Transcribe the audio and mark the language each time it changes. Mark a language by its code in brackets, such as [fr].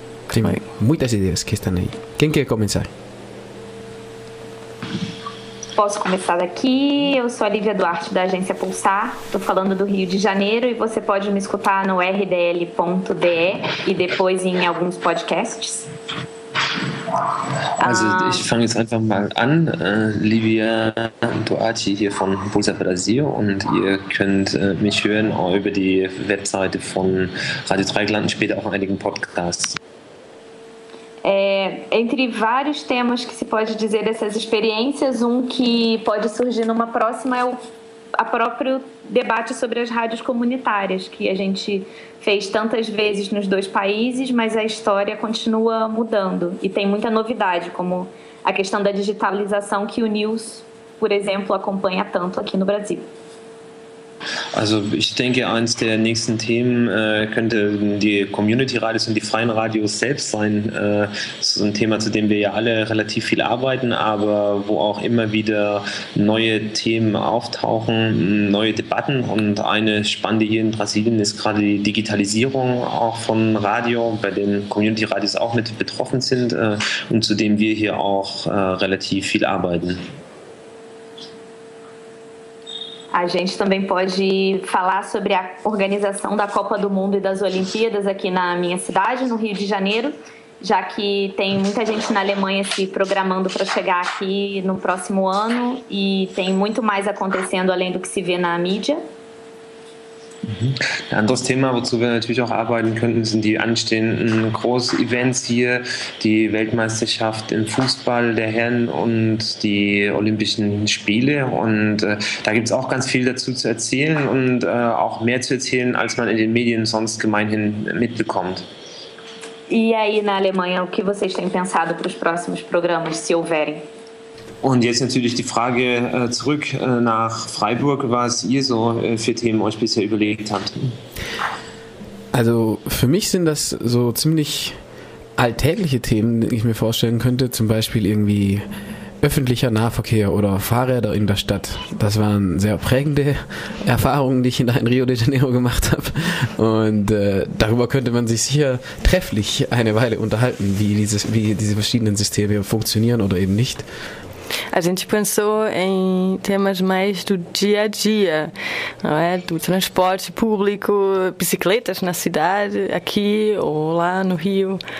[pt] Sim, muitas ideias que estão aí. Quem quer começar? Posso começar daqui. Eu sou a Lívia Duarte, da agência Pulsar. Estou falando do Rio de Janeiro e você pode me escutar no rdl.de e depois em alguns podcasts. [de] Also, ich fange jetzt einfach mal an. Livia Duarte hier von Pulsar Brasil und ihr könnt mich hören über die Webseite von Radio Dreieckland, später auch in einigen Podcasts. [pt] Entre vários temas que se pode dizer dessas experiências, um que pode surgir numa próxima é o próprio debate sobre as rádios comunitárias, que a gente fez tantas vezes nos dois países, mas a história continua mudando e tem muita novidade, como a questão da digitalização que o News, por exemplo, acompanha tanto aqui no Brasil. [de] Also ich denke, eines der nächsten Themen könnte die Community-Radios und die freien Radios selbst sein. So ein Thema, zu dem wir ja alle relativ viel arbeiten, aber wo auch immer wieder neue Themen auftauchen, neue Debatten. Und eine spannende hier in Brasilien ist gerade die Digitalisierung auch von Radio, bei dem Community-Radios auch mit betroffen sind und zu dem wir hier auch relativ viel arbeiten. [pt] A gente também pode falar sobre a organização da Copa do Mundo e das Olimpíadas aqui na minha cidade, no Rio de Janeiro, já que tem muita gente na Alemanha se programando para chegar aqui no próximo ano e tem muito mais acontecendo além do que se vê na mídia. [de] Ein anderes Thema, wozu wir natürlich auch arbeiten könnten, sind die anstehenden Groß-Events hier, die Weltmeisterschaft im Fußball der Herren und die Olympischen Spiele. Und da gibt es auch ganz viel dazu zu erzählen und auch mehr zu erzählen, als man in den Medien sonst gemeinhin mitbekommt. [pt] E aí, na Alemanha, o que vocês têm pensado para os próximos programas, se houverem? [de] Und jetzt natürlich die Frage zurück nach Freiburg, was ihr so für Themen euch bisher überlegt habt. Also für mich sind das so ziemlich alltägliche Themen, die ich mir vorstellen könnte. Zum Beispiel irgendwie öffentlicher Nahverkehr oder Fahrräder in der Stadt. Das waren sehr prägende Erfahrungen, die ich da in Rio de Janeiro gemacht habe. Und darüber könnte man sich sicher trefflich eine Weile unterhalten, wie diese verschiedenen Systeme funktionieren oder eben nicht. [pt] A gente pensou em temas mais do dia a dia, não é? Do transporte público, bicicletas na cidade, aqui ou lá no Rio.